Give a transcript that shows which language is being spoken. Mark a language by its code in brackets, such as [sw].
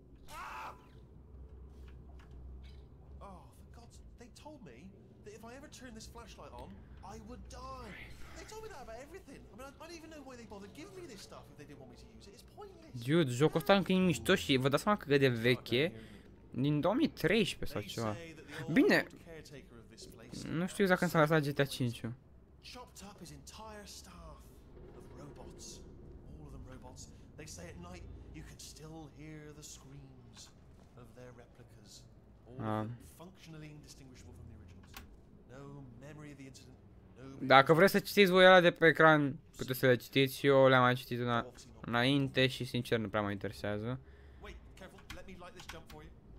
[en] Ah! Oh, for God's sake, they told me that if I ever turned this flashlight on, I would die. They told me that about everything. I mean, I don't even know why they bothered giving me this stuff if they didn't want me to use it. It's pointless. [ro] Dude, jocul ăsta încă e mișto și vă dați seama că e veche. Din 2013 sau ceva. Bine. Nu știu exact când s-a lăsat GTA 5. [en] Chopped up his entire staff of robots, all of them robots. They say at night you can still hear the screams of their replicas, all functionally indistinguishable from the originals. No memory of the incident. [ro] Dacă vreți să citiți voi ăla de pe ecran, puteți să le citiți. Eu le-am mai citit una înainte și sincer nu prea mă interesează. [en] Wait, careful, let me light this jump for you.